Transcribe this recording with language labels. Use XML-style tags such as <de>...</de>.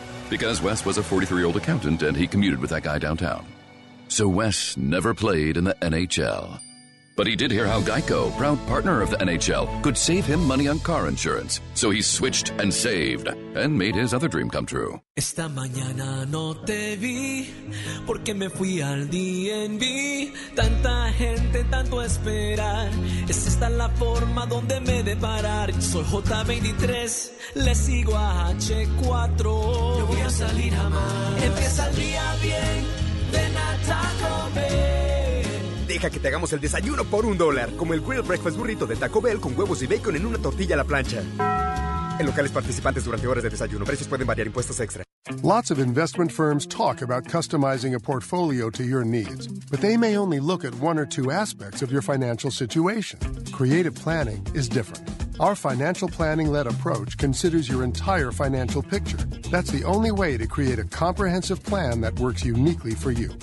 <en>Because Wes was a 43-year-old accountant and he commuted with that guy downtown. So Wes never played in the NHL. But he did hear how GEICO, proud partner of the NHL, could save him money on car insurance. So he switched and saved and made his other dream come true.</en> <es>Esta mañana no te vi, porque me fui al DNB. Tanta gente, tanto esperar. Es esta la forma donde me de parar. Soy J23, le sigo a H4. Yo voy a salir jamás. Empieza el día bien, ven a Taco Bell. Deja que te hagamos el desayuno por un dólar, como el Grilled Breakfast Burrito de Taco Bell con huevos y bacon en una tortilla a la plancha. En locales participantes durante horas de desayuno, precios pueden variar, impuestos extra.</es> <en>Lots of investment firms talk about customizing a portfolio to your needs, but they may only look at one or two aspects of your financial situation. Creative Planning is different. Our financial planning-led approach considers your entire financial picture. That's the only way to create a comprehensive plan that works uniquely for you.</en>